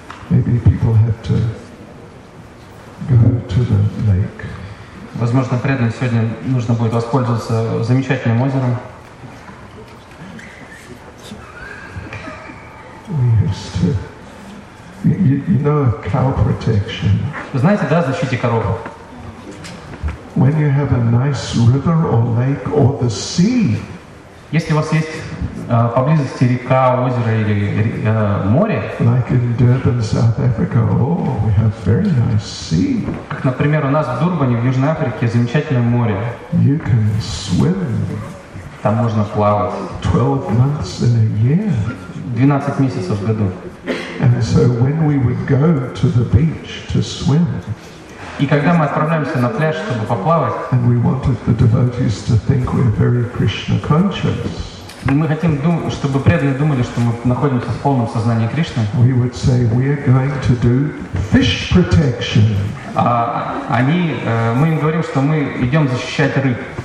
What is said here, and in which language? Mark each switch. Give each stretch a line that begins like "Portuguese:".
English: Maybe people had to go to the lake.
Russian: Возможно, преданным сегодня нужно будет воспользоваться замечательным озером.
English: You know, cow protection.
Russian: Вы знаете, да, защите коров?
English: When you have a nice river or lake or the sea.
Russian: Если у вас есть поблизости река, озеро или море.
English: Like in Durban, South Africa. Oh, we have very nice sea.
Russian: Как, например, у нас в Дурбане, в Южной Африке, замечательное море.
English: You can swim.
Russian: Там можно плавать.
English: 12 months in a year.
Russian: 12 месяцев в году.
English: And so when we would go to the beach to swim.
Russian: И когда мы отправляемся на пляж, чтобы поплавать,
English: and we wanted the devotees to think we're very Krishna conscious.
Russian: Мы хотим, чтобы преданные думали, что мы находимся в полном сознании Кришны.
English: We would say we are going to do fish protection.
Russian: Мы им говорим, что мы идем защищать рыб.